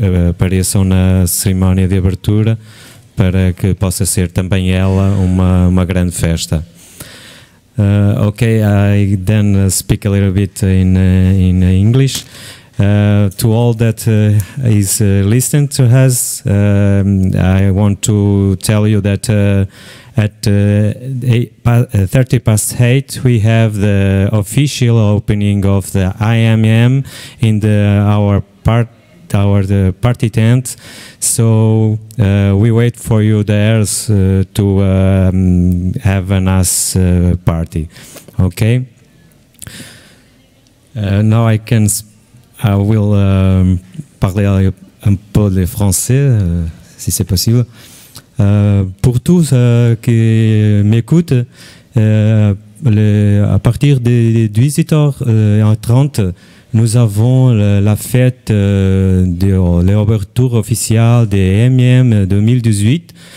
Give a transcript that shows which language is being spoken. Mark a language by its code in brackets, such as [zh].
[pt] apareçam na cerimónia de abertura, para que possa ser também ela uma grande festa. [en] Okay, I then speak a little bit in English. To all that is listening to us, I want to tell you that at 8:30, we have the official opening of the IMM in our party tent. So we wait for you there to have a nice party. Okay. Now I can. I will [fr] parler un peu de français, si c'est possible. Pour tous qui m'écoutent, à partir des 18h30, nous avons la fête de l'ouverture officielle des MM 2018.